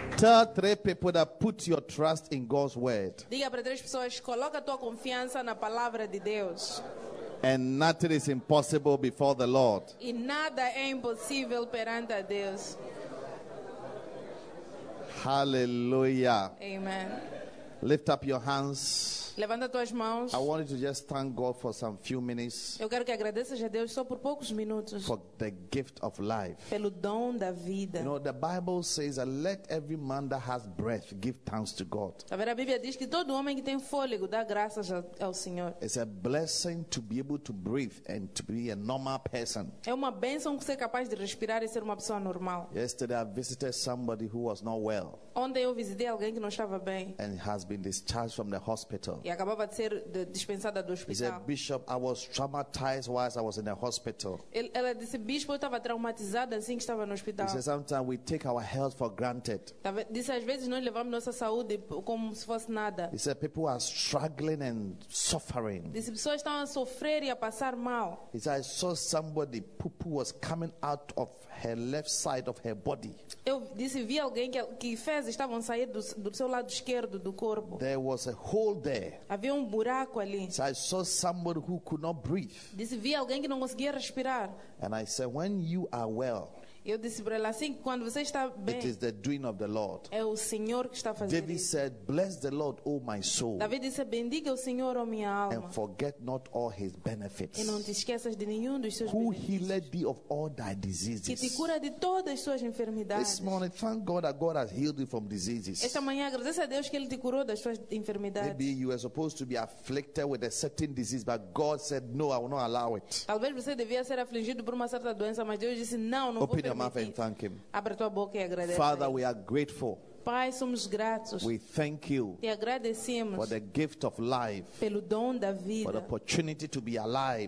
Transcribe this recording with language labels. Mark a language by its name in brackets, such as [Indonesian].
[English] Tell three people that put your trust in God's word. [Portuguese] Diga para três pessoas, coloca tua confiança na palavra de Deus. [English] And nothing is impossible before the Lord. [Portuguese] E nada é impossível perante a Deus. Hallelujah. Amen. [English] Lift up your hands. [Portuguese] Levanta tuas mãos. [English] I want you to just thank God for some few minutes. [Portuguese] Eu quero que agradeças a Deus só por poucos minutos. [English] For the gift of life. [Portuguese] Pelo dom da vida. [English] You know, the Bible says that let every man that has breath give thanks to God. [Portuguese] A Bíblia diz que todo homem que tem fôlego dá graças ao Senhor. [English] It's a blessing to be able to breathe and to be a normal person. [Portuguese] É uma bênção ser capaz de respirar e ser uma pessoa normal. [English] Yesterday I visited somebody who was not well. [Portuguese] Ontem eu visitei alguém que não estava bem. [English] And has been discharged from the hospital. [Portuguese] E acabava de ser dispensada do hospital. [English] He said, Bishop, I was traumatized whilst I was in the hospital. [Portuguese] Ela disse, Bispo, eu estava traumatizada assim que estava no hospital. [English] He said, sometimes we take our health for granted. [Portuguese] Disse, às vezes nós levamos nossa saúde como se fosse nada. [English] He said, people are struggling and suffering. [Portuguese] Disse, pessoas estão a sofrer e a passar mal. [English] He said, I saw somebody, poo-poo was coming out of her left side of her body. [Portuguese] Eu disse, vi alguém que fezes estavam saindo do seu lado esquerdo do corpo. [English] There was a hole there. [Portuguese] Havia um buraco ali. [English] So I saw somebody who could not breathe. [Portuguese] Disse, vi alguém que não conseguia respirar. [English] And I said, when you are well. [Portuguese] Eu disse para ela assim, quando você está bem. [English] It is the doing of the Lord. [Portuguese] É o Senhor que está fazendo. [English] David said, bless the Lord, oh my soul. [Portuguese] Davi disse, bendiga o Senhor, oh minha alma. [English] And forget not all his benefits. [Portuguese] E não te esqueças de nenhum dos seus [English] who [Portuguese] benefícios. [English] Who healed thee of all thy diseases. [Portuguese] Que te cura de todas as suas enfermidades. [English] This morning, thank God that God has healed you from diseases. [Portuguese] Esta manhã, agradeça a Deus que ele te curou das suas enfermidades. [English] Maybe you were supposed to be afflicted with a certain disease, but God said, no, I will not allow it. [Portuguese] Talvez você devia ser afligido por uma certa doença, mas Deus disse, não, não vou permitir. [English] Your mouth and thank him. [Portuguese] Abre tua boca e agradece. [English] Father, we are grateful. [Portuguese] Pai, somos gratos. [English] We thank you. [Portuguese] Te agradecemos. [English] For the gift of life. [Portuguese] Pelo dom da vida. [English] For the opportunity to be alive.